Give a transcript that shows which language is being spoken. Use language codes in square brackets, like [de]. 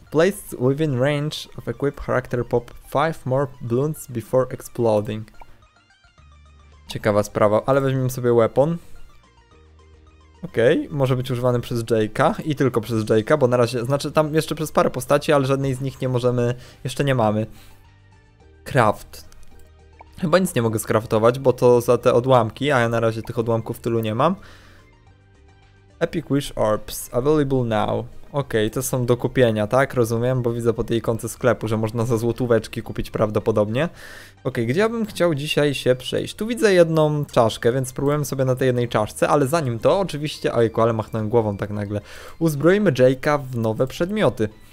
[en] Placed within range of equipped character pop 5 more balloons before exploding. [pl] Ciekawa sprawa, ale weźmiemy sobie weapon. Okej, okay, może być używany przez Jake'a i tylko przez Jake'a, bo na razie, znaczy tam jeszcze przez parę postaci, ale żadnej z nich nie możemy, jeszcze nie mamy. Craft. Chyba nic nie mogę skraftować, bo to za te odłamki, a ja na razie tych odłamków tylu nie mam. [en] Epic Wish Orbs, available now. [pl] Okej, okay, to są do kupienia, tak? Rozumiem, bo widzę po tej ikonce sklepu, że można za złotóweczki kupić prawdopodobnie. Okej, okay, gdzie ja bym chciał dzisiaj się przejść? Tu widzę jedną czaszkę, więc spróbujemy sobie na tej jednej czaszce, ale zanim to, oczywiście... Ojku, ale machnąłem głową tak nagle. Uzbroimy Jake'a w nowe przedmioty.